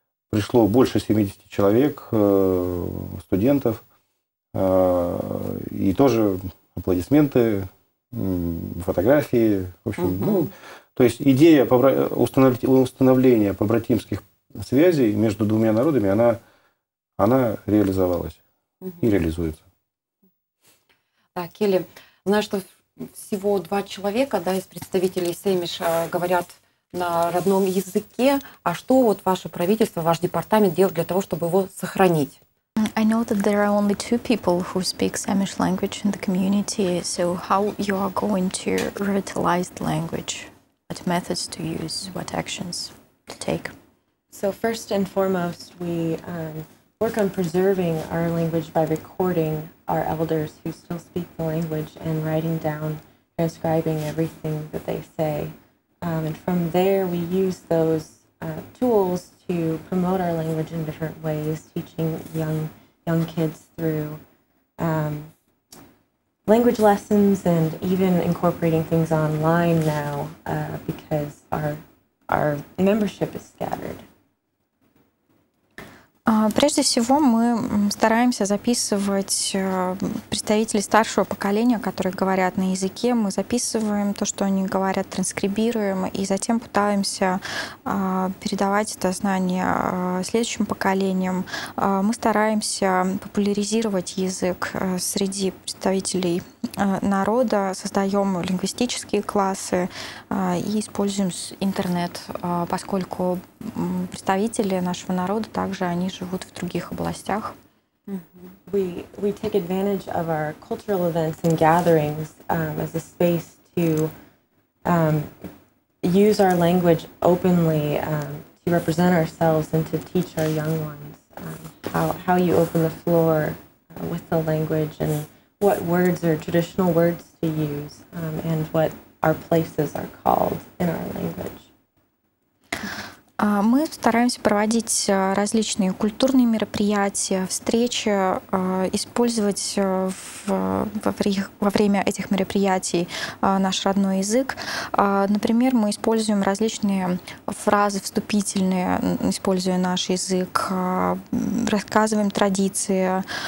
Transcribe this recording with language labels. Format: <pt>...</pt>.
<ru>Пришло больше 70 человек, студентов, и тоже аплодисменты, фотографии, в общем, то есть идея установления побратимских связей между двумя народами, она реализовалась и реализуется. Так, Келли, знаю, что всего два человека, да, из представителей Сэмиш говорят на родном языке. А что вот ваше правительство, ваш департамент делает для того, чтобы его сохранить?</ru> <en>I know that there are only two people who speak Samish language in the community. So how you are going to revitalize the language? What methods to use? What actions to take? So first and foremost, we work on preserving our language by recording our elders who still speak the language and writing down, transcribing everything that they say. And from there, we use those tools to promote our language in different ways, teaching young kids through language lessons and even incorporating things online now because our membership is scattered.</en> <ru>Прежде всего, мы стараемся записывать представителей старшего поколения, которые говорят на языке. Мы записываем то, что они говорят, транскрибируем, и затем пытаемся передавать это знание следующим поколениям. Мы стараемся популяризировать язык среди представителей народа, создаем лингвистические классы и используем интернет, поскольку представители нашего народа также они живут в других областях.</ru> <en>We take advantage of our cultural events and gatherings as a space to use our language openly to represent ourselves and to teach our young ones how you open the floor with the language and what words are traditional words to use and what our places are called in our language.</en> <ru>Мы стараемся проводить различные культурные мероприятия, встречи, использовать во время этих мероприятий наш родной язык. Например, мы используем различные фразы вступительные, используя наш язык, рассказываем традиции.</ru>